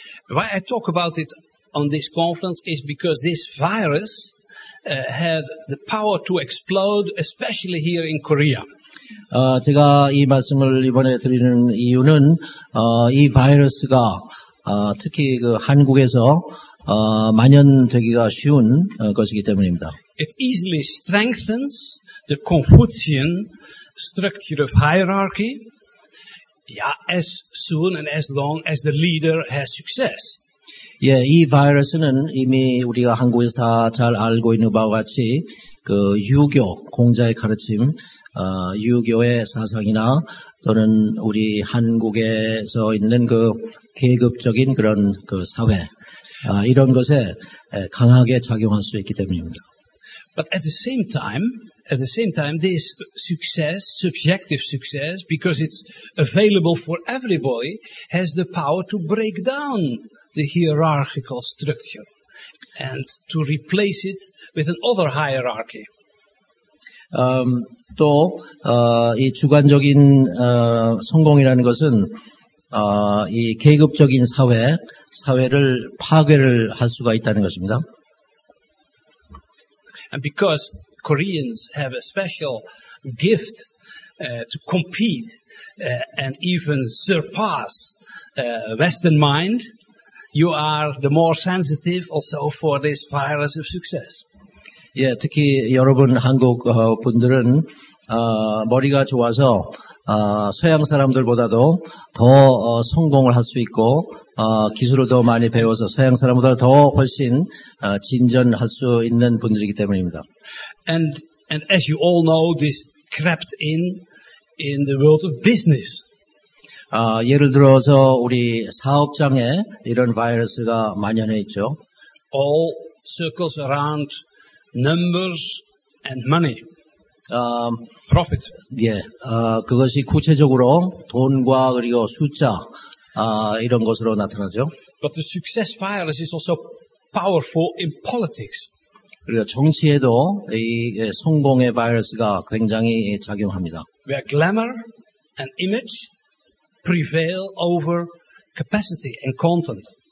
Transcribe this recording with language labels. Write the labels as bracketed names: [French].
[English] Why I talk about it on this conference is because this virus had the power to explode, especially here in Korea. [Korean] 제가 이 말씀을 이번에 드리는 이유는 이 바이러스가 특히 그 한국에서 만연되기가 쉬운 것이기 때문입니다. [English] It easily strengthens the Confucian structure of hierarchy. Yeah, as soon and as long as the leader has success. [Korean] 예, 이 바이러스는 이미 우리가 한국에서 다 잘 알고 있는 바와 같이 그 유교 공자의 가르침 유교의 사상이나 또는 우리 한국에서 있는 그 계급적인 그런 그 사회 이런 것에 강하게 작용할 수 있기 때문입니다. [English] But at the same time, this success, subjective success, because it's available for everybody, has the power to break down the hierarchical structure and to replace it with another hierarchy. [Korean] 또 이 주관적인 성공이라는 것은 이 계급적인 사회를 파괴를 할 수가 있다는 것입니다. [English] And because Koreans have a special gift to compete and even surpass Western mind, you are the more sensitive also for this virus of success. [Korean] 예, 특히 여러분 한국 분들은 머리가 좋아서 서양 사람들보다도 더 성공을 할 수 있고 기술을 더 많이 배워서 서양 사람보다 더 훨씬 진전할 수 있는 분들이기 때문입니다. [English] And as you all know, this crept in the world of business. [Korean] 예를 들어서 우리 사업장에 이런 바이러스가 만연해 있죠. [English] All circles around numbers and money. Profit. [Korean] 예, 그것이 구체적으로 돈과 그리고 숫자 이런 것으로 나타나죠. [English] But the success virus is also powerful in politics. [Korean] 그리고 정치에도 이 성공의 바이러스가 굉장히 작용합니다. [English] Where glamour and image prevail over capacity and content.